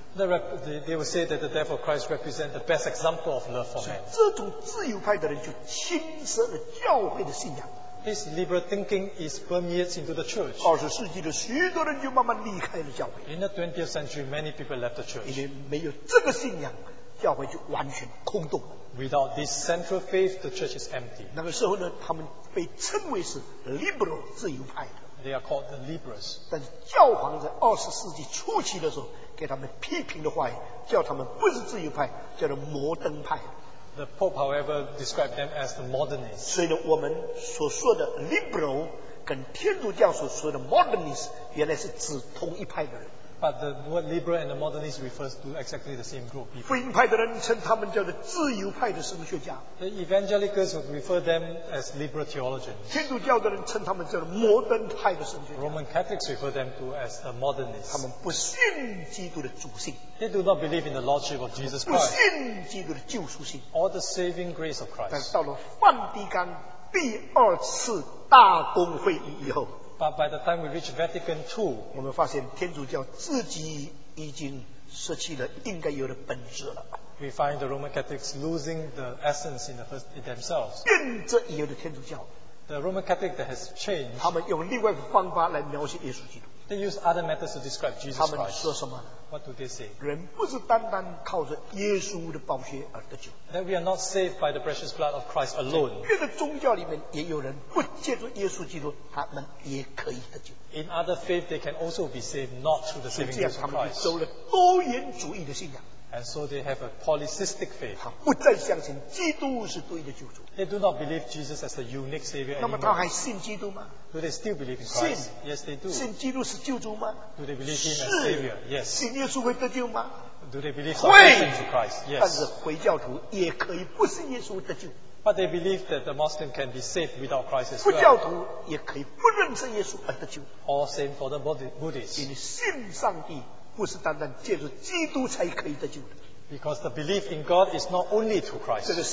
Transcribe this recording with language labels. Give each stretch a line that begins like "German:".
English: They will say that the death of Christ represents the best example of love for man.
Chinese: 这种自由派的人就侵蚀了教会的信仰。
English: This liberal thinking is permeates into the church.
Chinese: 20世纪的许多人就慢慢离开了教会。
English: In the 20th century, many people left the church.
Chinese: 因为没有这个信仰, 教会就完全空洞了。
English: Without this central faith, the church is empty.
Chinese: 那个时候呢, 他们被称为是liberal自由派的。
English: They are called the liberals.
Chinese: 但是教皇在20世纪初期的时候, 给他们批评的话语, 叫他们不是自由派, 叫做摩登派。
English: The Pope, however, described them as the modernists.
Chinese: 所以呢，我们所说的 liberal 跟天主教所说的 modernist 原来是指同一派的人。
English: But the word liberal and the modernist refers to exactly the same group.
Chinese: 福音派的人称他们叫做自由派的神学家。
English: The evangelicals would refer them as liberal theologians.
Chinese: 天主教的人称他们叫做摩登派的神学家。
English: Roman Catholics refer them to as the modernists.
Chinese: 他们不信基督的主性。
English: They do not believe in the lordship of Jesus Christ.
Chinese: 不信基督的救赎性。
English: Or the saving grace of Christ.
Chinese: 但到了梵蒂冈第二次大公会议以后,
English: but by the time we reach Vatican II,
Chinese: 我们发现天主教自己已经失去了应该有的本质了。
English: We find the Roman Catholics losing the essence in, the first, in themselves.
Chinese: 变这已有的天主教,
English: the Roman Catholic that has changed,
Chinese: 他们用另外一个方法来描写耶稣基督。
English: They use other methods to describe Jesus Christ.
Chinese: 他们说什么呢?
English: What do they say?
Chinese: 人不是单单靠着耶稣的宝血而得救。
English: That we are not saved by the precious blood of Christ alone.
Chinese: 别的宗教里面也有人不借助耶稣基督，他们也可以得救。
English: In other faith, they can also be saved not through the saving Jesus Christ.
Chinese: 所以他们就收了多元主义的信仰。
English: And so they have a polycystic faith.
Chinese: 他不再相信基督是对的救主。
English: They do not believe Jesus as the unique Savior anymore.
Chinese: 那么他还信基督吗?
English: Do they still believe in Christ?
Chinese: 信,
English: yes, they do.
Chinese: 信基督是救主吗?
English: Do they believe him as Savior? Yes.
Chinese: 信耶稣会得救吗?
English: Do they believe salvation to Christ? Yes.
Chinese: 但是回教徒也可以不信耶稣得救。
English: But they believe that the Muslim can be saved without Christ as well.
Chinese: 不教徒也可以不认识耶稣而得救。
English: All same for the Buddhists.
Chinese: 因为信上帝。不是单单借助基督才可以得救的。
English: Because the belief in God is not only through Christ.